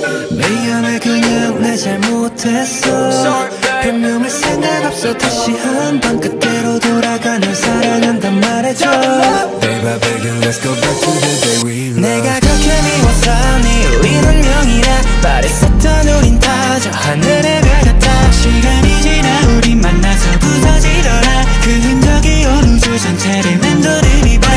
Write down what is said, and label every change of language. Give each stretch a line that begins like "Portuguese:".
Korean: 미안해 그냥 내 잘못했어 변명할 생각 없어 다시 한번 그대로 돌아가 널 사랑한다 말해줘
English: baby I beg you let's go back to the day we love
Korean: 내가 그렇게 미웠다니 말했었던 우린 다 저 하늘에 별 같아 시간이 지나 우리 만나서 부서지더라 그 흔적이 온 우주 전체를 맴돌으니 봐